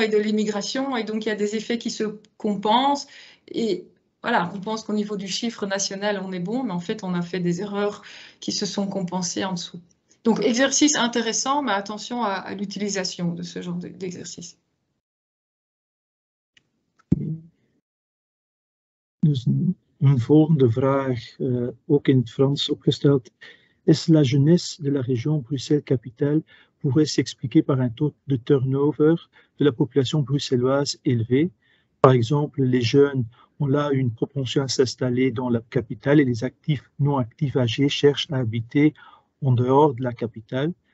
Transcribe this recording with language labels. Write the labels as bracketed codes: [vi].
[fr] Et donc, il y a des effets qui se compensent. Et voilà, on pense qu'au niveau du chiffre national, on est bon. Mais en fait, on a fait des erreurs qui se sont compensées en dessous. Donc, exercice intéressant, mais attention à l'utilisation de ce genre d'exercice. Une [nl] volgende vraag, ook in het Frans opgesteld. [fr] Est-ce la jeunesse de la région Bruxelles-Capitale pourrait s'expliquer par un taux de turnover de la population bruxelloise élevé? Par exemple, les jeunes ont là une propension à s'installer dans la capitale et les actifs non actifs âgés cherchent à habiter en dehors de la capitale.